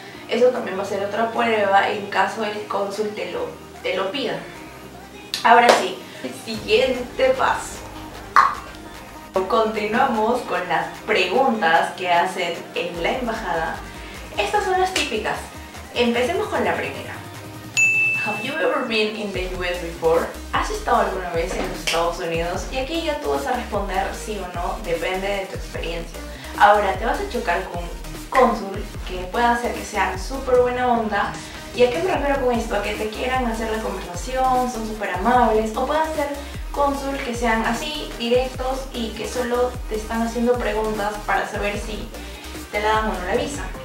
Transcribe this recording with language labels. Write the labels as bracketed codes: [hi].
[es] Eso también va a ser otra prueba en caso el cónsul te lo pida. Ahora sí, siguiente paso. Continuamos con las preguntas que hacen en la embajada. Estas son las típicas. Empecemos con la primera. [en] Have you ever been in the US before? [es] ¿Has estado alguna vez en los Estados Unidos? Y aquí ya tú vas a responder sí o no, depende de tu experiencia. Ahora, te vas a chocar con un cónsul que pueda hacer que sea súper buena onda. ¿Y a qué me refiero con esto? A que te quieran hacer la conversación, son súper amables, o puedan ser cónsul que sean así, directos, y que solo te están haciendo preguntas para saber si te la dan o no la visa.